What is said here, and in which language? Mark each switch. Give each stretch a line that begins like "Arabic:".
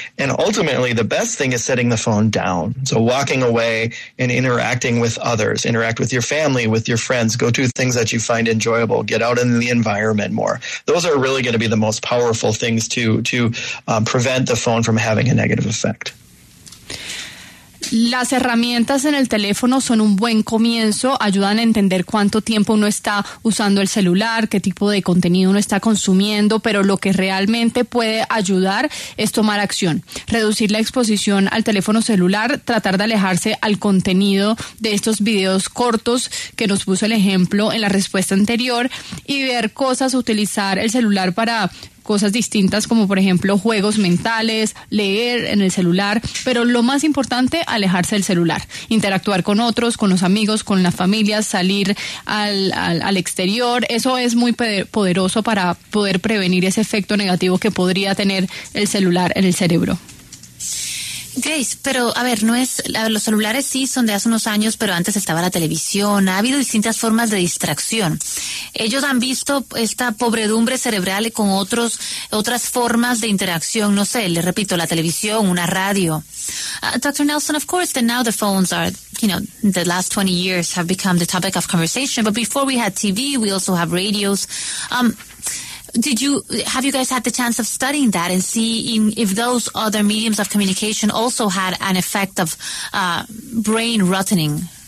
English: And ultimately, the best thing is setting the phone down. So walking away and interacting with others, interact with your family, with your friends, go to things that you find enjoyable, get out in the environment more. Those are really going to be the most powerful things to prevent the phone from having a negative effect.
Spanish: Las herramientas en el teléfono son un buen comienzo, ayudan a entender cuánto tiempo uno está usando el celular, qué tipo de contenido uno está consumiendo, pero lo que realmente puede ayudar es tomar acción, reducir la exposición al teléfono celular, tratar de alejarse al contenido de estos videos cortos que nos puso el ejemplo en la respuesta anterior y ver cosas, utilizar el celular para cosas distintas como por ejemplo juegos mentales, leer en el celular, pero lo más importante, alejarse del celular, interactuar con otros, con los amigos, con la familia, salir al exterior. Eso es muy poderoso para poder prevenir ese efecto negativo que podría tener el celular en el cerebro. Grace, pero a ver, los celulares sí son de hace unos años, pero antes estaba la televisión, ha habido distintas formas de distracción. Ellos han visto esta podredumbre cerebral con otras formas de interacción, no sé, le repito, la televisión, una radio.
English: Dr. Nelson, of course, that now the phones are, you know, the last 20 years have become the topic of conversation, but before we had TV, we also have radios. Have you guys had the chance of studying that and seeing if those other mediums of communication also had an effect of brain rotting?